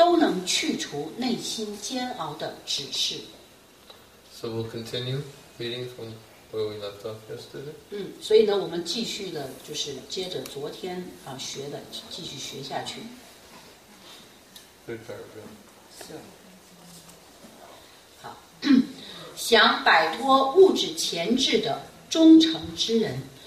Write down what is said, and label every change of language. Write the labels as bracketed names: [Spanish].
[Chinese] 因为其中充满了使人在任何时空、任何环境下都能去除内心煎熬的指示。 [English] So we'll continue reading from where we left off yesterday. [Chinese] 所以呢，我们继续的，就是接着昨天学的，继续学下去。 [English] Good paragraph. [Chinese] 想摆脱物质钳制的忠诚之人。